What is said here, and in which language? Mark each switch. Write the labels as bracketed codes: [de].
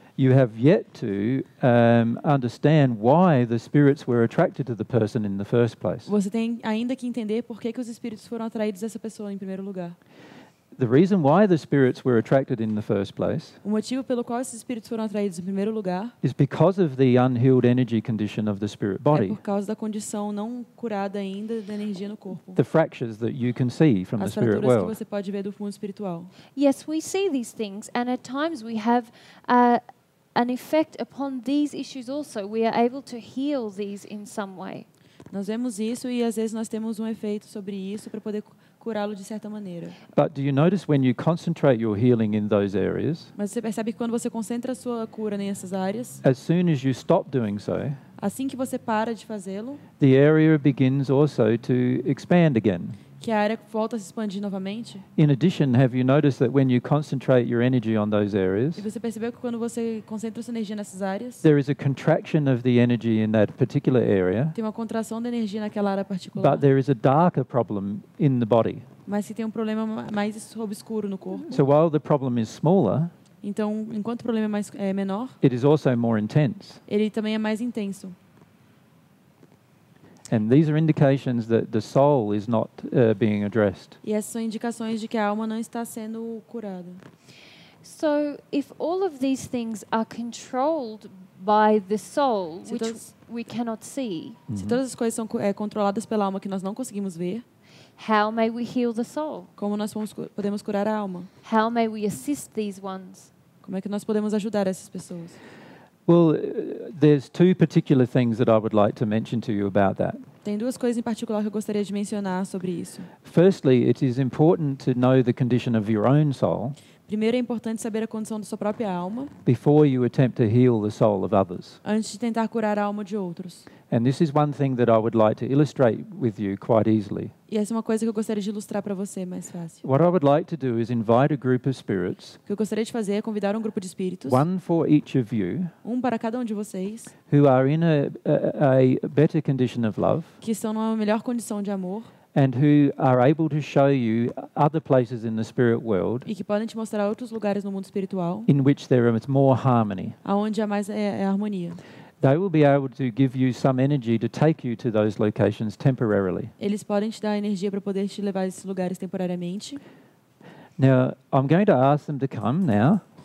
[en] you have yet to understand why the spirits were attracted to the person in the first place. [pt] Você tem ainda que entender por que os espíritos foram atraídos a essa pessoa em primeiro lugar. [en] The reason why the spirits were attracted in the first place, [pt] o motivo pelo qual esses espíritos foram atraídos em primeiro lugar, [en] is because of the unhealed energy condition of the spirit body. [pt] É por causa da condição não curada ainda da energia no corpo. [en] The fractures that you can see from [pt] as [en] the spirit world. [pt] As fraturas que você pode ver do mundo espiritual. [en] Yes, we see these things, and at times we have an effect upon these issues also. We are able to heal these in some way. [pt] Nós vemos isso e às vezes nós temos efeito sobre isso para poder curá-lo de certa maneira. [en] But do you notice when you concentrate your healing in those areas? [pt] Mas você percebe que quando você concentra a sua cura nessas áreas? [en] As soon as you stop doing so, [pt] assim que você para de fazê-lo, [en] the area begins also to expand again. [pt] Que a área volta a se expandir novamente? [en] In addition, have you noticed that when you concentrate your energy on those areas? [pt] E você percebeu que quando você concentra sua energia nessas áreas? [en] There is a contraction of the energy in that particular area. [pt] Tem uma contração da energia naquela área particular. [en] But there is a darker problem in the body. [pt] Mas tem um problema mais obscuro no corpo. [en] So while the problem is smaller, [pt] então enquanto o problema é mais menor, [en] it is also more intense. [pt] Ele também é mais intenso. [en] And these are indications that the soul is not being addressed. [pt] E essas são indicações de que a alma não está sendo curada. [en] So, if all of these things are controlled by the soul, which we cannot see. [pt] Se todas as coisas são controladas pela alma que nós não conseguimos ver. [en] How may we heal the soul? [pt] Como nós podemos curar a alma? [en] How may we assist these ones? [pt] Como é que nós podemos ajudar essas pessoas? [en] Well, there's two particular things that I would like to mention to you about that. [pt] Tem duas coisas em particular que eu gostaria de mencionar sobre isso. [en] Firstly, it is important to know the condition of your own soul. [pt] Primeiro é importante saber a condição da sua própria alma. [en] Before you attempt to heal the soul of others. [pt] Antes de tentar curar a alma de outros. [en] And this is one thing that I would like to illustrate with you quite easily. [pt] E essa é uma coisa que eu gostaria de ilustrar para você mais fácil. [en] What I would like to do is invite a group of spirits. [pt] O que eu gostaria de fazer é convidar grupo de espíritos. [en] One for each of you. [pt] Um para cada de vocês. [en] Who are in a better condition of love. [pt] Que estão numa melhor condição de amor. [en] And who are able to show you other places in the spirit world. [pt] E que podem te mostrar outros lugares no mundo espiritual. [en] In which there is more harmony. [pt] Aonde há mais harmonia. [en] They will be able to give you some energy to take you to those locations temporarily. [pt] Eles podem te dar energia para poder te levar a esses lugares temporariamente. [en] Now, I'm going to ask them to come now.